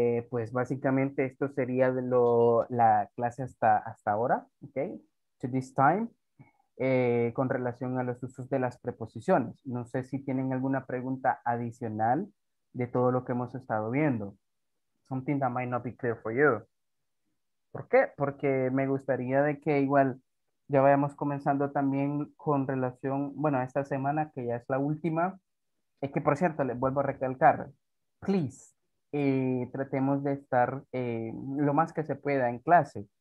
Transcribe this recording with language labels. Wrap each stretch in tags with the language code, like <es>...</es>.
<es>Pues básicamente esto sería la clase hasta ahora.</es> <en>Okay. To this time.</en> <es>Con relación a los usos de las preposiciones. No sé si tienen alguna pregunta adicional de todo lo que hemos estado viendo.</es> <en>Something that might not be clear for you.</en> <es>¿Por qué? Porque me gustaría de que igual ya vayamos comenzando también con relación, bueno, a esta semana que ya es la última. Es que, por cierto, les vuelvo a recalcar, please, tratemos de estar lo más que se pueda en clase.</es>